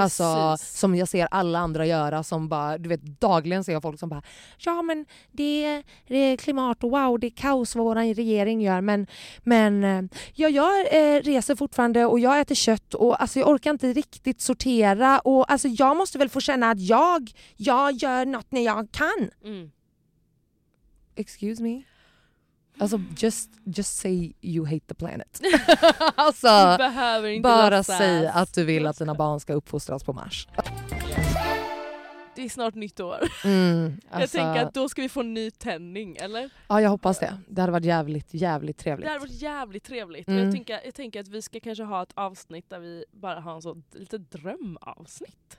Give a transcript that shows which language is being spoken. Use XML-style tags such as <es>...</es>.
<sv>Alltså som jag ser alla andra göra, som bara, du vet, dagligen ser jag folk som bara, ja men det är klimat, wow, det är kaos vad vår regering gör, men ja, jag reser fortfarande och jag äter kött, och alltså jag orkar inte riktigt sortera, och alltså jag måste väl få känna att jag gör något när jag kan. Mm.</sv> <en>Excuse me. Alltså just say you hate the planet.</en> <sv>Alltså behöver inte bara säga att du vill att dina barn ska uppfostras på Mars. Det är snart nytt år. Mm, alltså, jag tänker att då ska vi få en ny tändning, eller? Ja, jag hoppas det. Det hade varit jävligt, jävligt trevligt. Det hade varit jävligt trevligt. Mm. Jag tänker att vi ska kanske ha ett avsnitt där vi bara har en sån lite drömavsnitt.</sv>